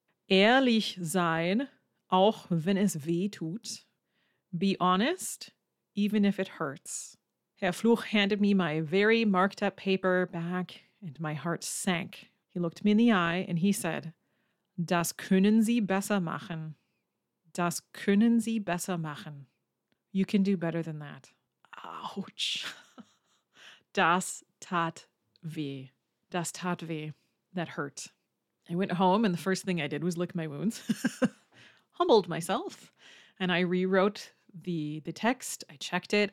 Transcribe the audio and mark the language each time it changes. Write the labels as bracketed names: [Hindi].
[German] Ehrlich sein, auch wenn es weh tut. [English] Be honest, even if it hurts. Herr Fluch handed me my very marked up paper back and my heart sank. He looked me in the eye and he said, [German] das können Sie besser machen. Das können Sie besser machen. [English] You can do better than that. Ouch. [German] Das tat weh. Das tat weh. [English] That hurt. I went home and the first thing I did was lick my wounds. Humbled myself. And I rewrote the text. I checked it.